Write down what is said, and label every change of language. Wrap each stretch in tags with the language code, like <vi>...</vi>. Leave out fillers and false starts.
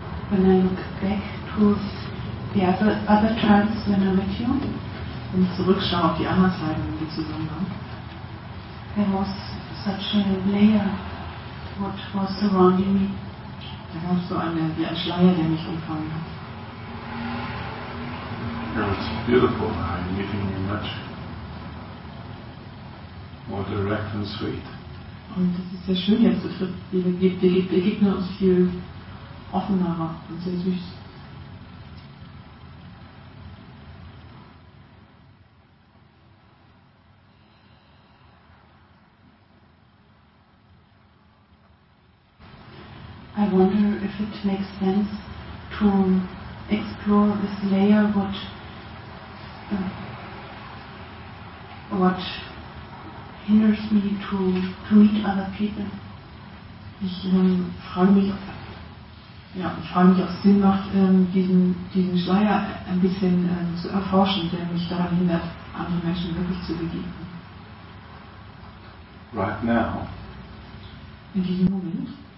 <en>When I look back to the other times when I met you,</en> <de>und zurückschaue auf die anderen Zeiten, die zusammen waren,</de> <en>there was such a layer what was surrounding me.</en> <de>Da gab es so eine, wie ein Schleier, der mich umfangen hat.</de> <en>Yeah, it's beautiful. I'm meeting you much more direct and sweet.</en> <de>Und das ist sehr schön jetzt. Es wird die Begegnung uns viel offenerer und sehr süß.</de> <en>I wonder if it makes sense to explore this layer what hinders me to meet other people.</en> <de>Ich frage mich, ja, und frage mich, ob es Sinn macht, diesen Schleier ein bisschen zu erforschen, der mich daran hindert, andere Menschen wirklich zu begegnen.</de> <en>Right now.</en> <de>In diesem Moment.</de>